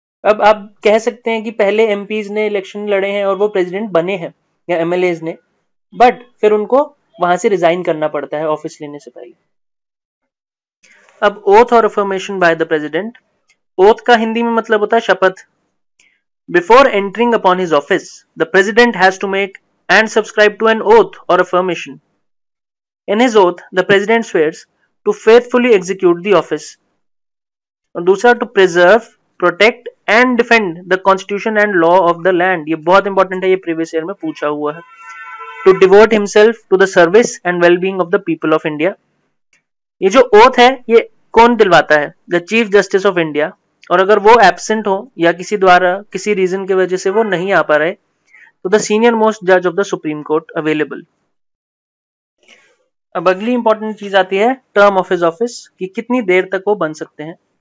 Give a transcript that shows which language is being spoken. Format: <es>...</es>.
<hi>अब आप कह सकते हैं कि पहले एमपीज ने इलेक्शन लड़े हैं और वो प्रेसिडेंट बने हैं या एमएलएज ने, बट फिर उनको वहां से रिजाइन करना पड़ता है ऑफिस लेने से पहले. अब ओथ और affirmation by the president. Oath का हिंदी में मतलब होता है शपथ.</hi> <en>Before entering upon his office, the president has to make and subscribe to an oath or affirmation. In his oath, the president swears to faithfully execute the office. Dusra, to preserve, protect and defend the constitution and law of the land.</en> <hi>Ye bahut important hai, ye previous year mein pucha hua hai.</hi> <en>To devote himself to the service and well-being of the people of India.</en> <hi>Ye jo oath hai, ye kon dilwata hai?</hi> <en>The Chief Justice of India.</en> <hi>और अगर वो absent हो या किसी द्वारा किसी reason के वजह से वो नहीं आ पा रहे तो</hi> <en>The senior most जज of the supreme court available.</en> <hi>अब अगली इंपॉर्टेंट चीज आती है टर्म ऑफ हिज ऑफिस कि कितनी देर तक वो बन सकते हैं.</hi>